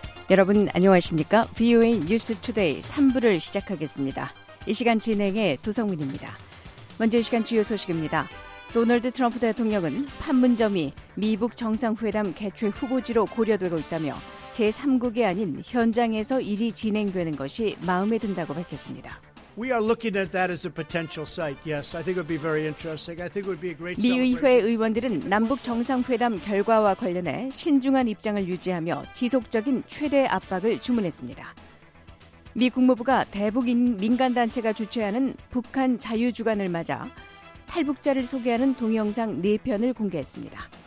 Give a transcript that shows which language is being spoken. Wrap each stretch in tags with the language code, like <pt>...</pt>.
<ko>여러분 안녕하십니까? VOA News Today 3부를 시작하겠습니다. 이 시간 진행의 도성민입니다. 먼저 이 시간 주요 소식입니다. 도널드 트럼프 대통령은 판문점이 미북 정상회담 개최 후보지로 고려되고 있다며 제3국이 아닌 현장에서 일이 진행되는 것이 마음에 든다고 밝혔습니다.</ko> <en>We are looking at that as a potential site. Yes, I think it would be very interesting. I think it would be a great.</en> <ko>미 의회 의원들은 남북 정상회담 결과와 관련해 신중한 입장을 유지하며 지속적인 최대 압박을 주문했습니다. 미 국무부가 대북 민간 단체가 주최하는 북한 자유 주간을 맞아 탈북자를 소개하는 동영상 네 편을 공개했습니다.</ko>